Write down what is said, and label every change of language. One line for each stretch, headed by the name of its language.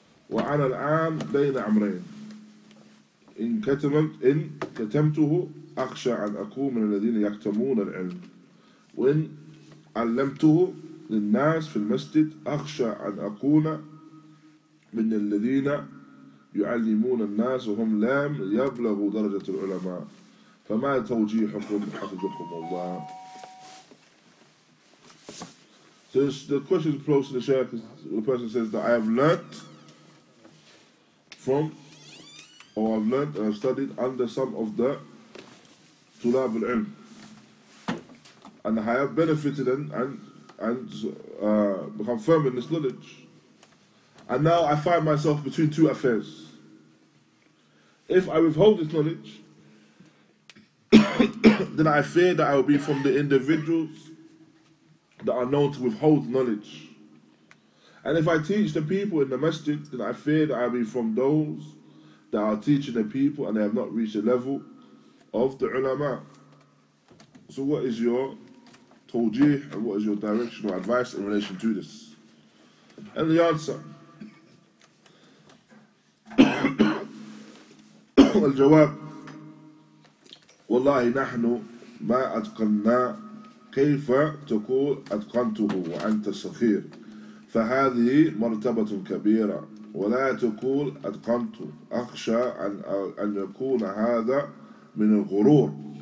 Arabic: وأنا الآن بين أمرين إن كتمته أخشى أن أكون من الذين يكتمون العلم وإن علمته للناس في المسجد أخشى أن أكون من الذين يعلمون الناس وهم لم يبلغوا درجة العلماء فما توجيهكم حفظكم الله.
English: So the question approaches to the Shaykh, the person says that I have learnt from, or I've learned and I've studied under some of the
Arabic: طلاب العلم
English: and I have benefited and become firm in this knowledge. And now I find myself between two affairs. If I withhold this knowledge, then I fear that I will be from the individuals that are known to withhold knowledge. And if I teach the people in the masjid, then I fear that I will be from those that are teaching the people and they have not reached the level of the ulama. So what is your tawjih and what is your direction or advice in relation to this? And the answer,
Arabic: الجواب والله نحن ما أتقننا كيف تقول أتقنته وأنت صغير فهذه مرتبة كبيرة ولا تقول أتقنت أخشى أن يكون هذا من الغرور